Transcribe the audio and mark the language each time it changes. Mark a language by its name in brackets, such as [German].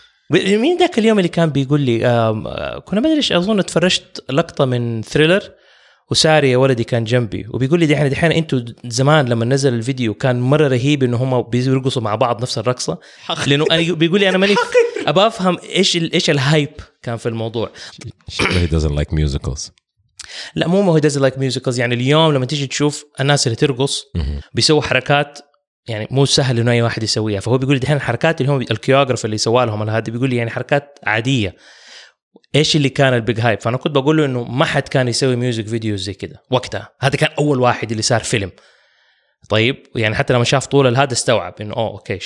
[Arabic] مين ذاك اليوم اللي كان بيقول لي كنا ما ادري ايش اظن تفرجت لقطه من ثريلر وساري يا ولدي كان جنبي وبيقول لي دحين انتوا زمان لما نزل الفيديو كان مره رهيب انه هم بيرقصوا مع بعض نفس الرقصه لانه انا بيقول لي انا ماني ابى افهم ايش ايش الهايب كان في الموضوع [English] he doesn't like musicals [Arabic] لا مو هو [English] doesn't like musicals [Arabic] يعني اليوم لما تيجي تشوف الناس اللي ترقص بيسووا حركات يعني مو سهل انه اي واحد يسويها فهو بيقول لي دحين الحركات اللي هم الكيوغرافر اللي سوا لهم هذا بيقول لي يعني حركات عاديه ايش اللي كان البيج هايب فانا كنت بقول له انه ما حد كان يسوي ميوزك فيديو زي كده وقتها هذا كان اول واحد اللي صار فيلم طيب يعني حتى لما شاف طول هذا استوعب انه اوه اوكي